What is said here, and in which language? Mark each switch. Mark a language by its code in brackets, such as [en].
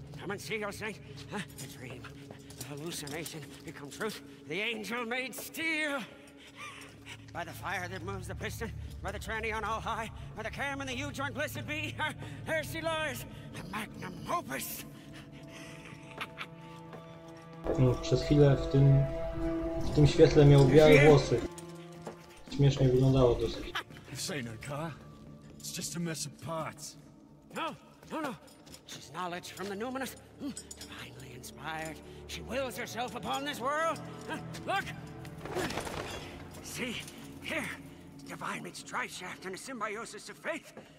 [en] And see your saint, a dream, a hallucination become truth, the angel made steel. By the fire that moves the piston, by the tranny on all high, by the cam and the U-joint, blessed be, there she lies, the magnum opus. [pl] No, przez chwilę w tym świetle miał białe włosy. Śmiesznie wyglądało to. [en] This ain't her car, it's just a mess of parts. No. She's knowledge from the Numinous. Divinely inspired, she wills herself upon this world. Look! See, here, divine meets driveshaft in a symbiosis of faith.